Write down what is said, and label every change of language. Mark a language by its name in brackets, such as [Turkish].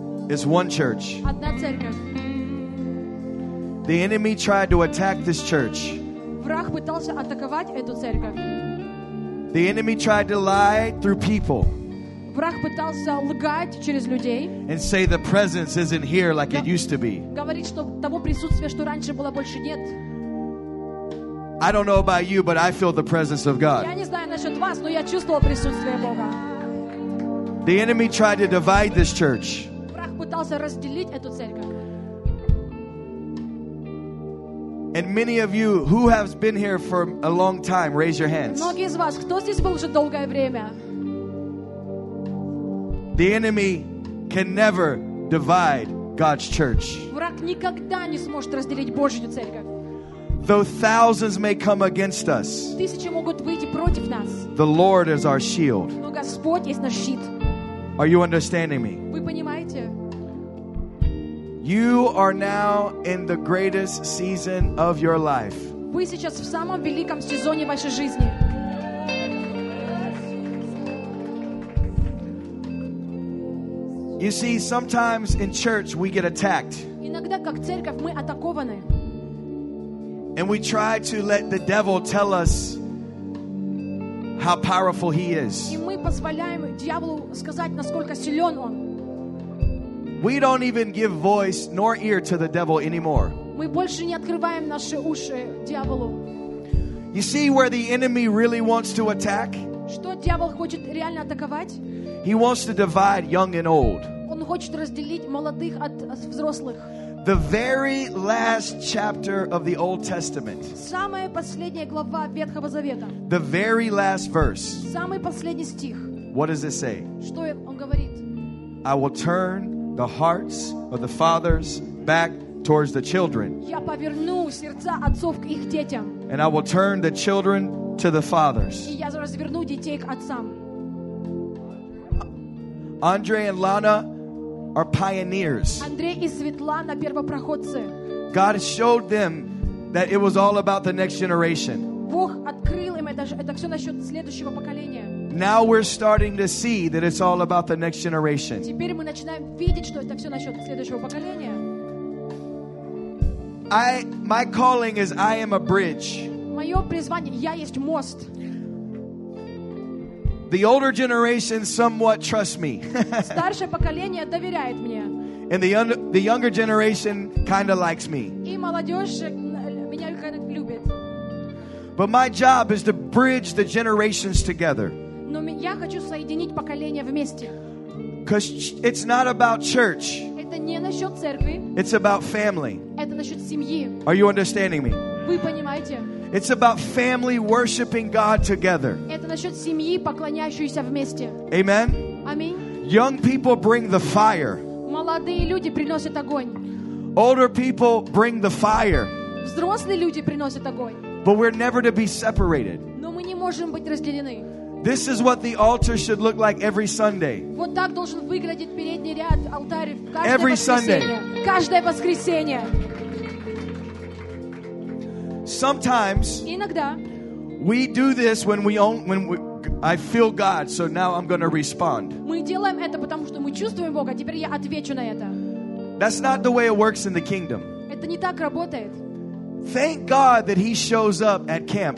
[English] It's one church. The enemy tried to attack this church. The enemy tried to lie through people. [Russian] Враг пытался лгать через людей. [English] And say the presence isn't here like it used to be. [Russian] Говорит, что того присутствия, что раньше было, больше нет. [English] I don't know about you, but I feel the presence of God. [Russian] Я не знаю насчет вас, но я чувствовал присутствие Бога. [English] The enemy tried to divide this church. [Russian] Враг пытался разделить эту церковь. [English] And many of you who have been here for a long time, raise your hands. [Russian] Многие из вас, кто здесь был уже долгое время. [English] The enemy can never divide God's church. [Russian] Враг никогда не сможет разделить Божью церковь. [English] Though thousands may come against us, [Russian] тысячи могут выйти против нас. [English] The Lord is our shield. [Russian] Но Господь есть наш щит. [English] Are you understanding me? [Russian] Вы понимаете? [English] You are now in the greatest season of your life. [Russian] Вы сейчас в самом великом сезоне вашей жизни. [English] You see, sometimes in church we get attacked. [Russian] Иногда как церковь мы атакованы. [English] And we try to let the devil tell us how powerful he is. [Russian] И мы позволяем дьяволу сказать, насколько силен он. [English] We don't even give voice nor ear to the devil anymore. [Russian] Мы больше не открываем наши уши дьяволу. [English] You see where the enemy really wants to attack? [Russian] Что дьявол хочет реально атаковать? [English] He wants to divide young and old. [Russian] Он хочет разделить молодых от взрослых. [English] The very last chapter of the Old Testament. [Russian] Самая последняя глава Ветхого Завета. [English] The very last verse. [Russian] Самый последний стих. [English] What does it say? [Russian] Что он говорит? [English] I will turn the hearts of the fathers back towards the children. [Russian] Я поверну сердца отцов к их детям. [English] And I will turn the children to the fathers. [Russian] И я разверну детей к отцам. [English] Andre and Lana are pioneers. [Russian] Андрей и Светлана первопроходцы. [English] God showed them that it was all about the next generation. [Russian] Бог открыл им это все насчет следующего поколения. [English] Now we're starting to see that it's all about the next generation. [Russian] Теперь мы начинаем видеть, что это все насчет следующего поколения. [English] My calling is I am a bridge. [Russian] Мое призвание, я есть мост. [English] The older generation somewhat trust me. [Russian] Старшее поколение доверяет мне. [English] And the younger generation kind of likes me. [Russian] И молодежь меня как-то любит. [English] But my job is to bridge the generations together. [Russian] Но я хочу соединить поколения вместе. [English] Because it's not about church. [Russian] Это не насчет церкви. [English] It's about family. [Russian] Это насчет семьи. [English] Are you understanding me? [Russian] Вы понимаете? [English] It's about family worshiping God together. [Russian] Это насчет семьи, поклоняющейся вместе. [English] Amen. [Russian] Аминь. [English] Young people bring the fire. [Russian] Молодые люди приносят огонь. [English] Older people bring the fire. [Russian] Взрослые люди приносят огонь. [English] But we're never to be separated. [Russian] Но мы не можем быть разделены. [English] This is what the altar should look like every Sunday. [Russian] Вот так должен выглядеть передний ряд алтаря каждое воскресенье. [English] Every Sunday. [Russian] Каждое воскресенье. [English] Sometimes [Russian] иногда, [English] we do this when I feel God, so now I'm going to respond. [Russian] Мы делаем это потому что мы чувствуем Бога. Теперь я отвечу на это. [English] That's not the way it works in the kingdom. [Russian] Это не так работает. [English] Thank God that He shows up at camp.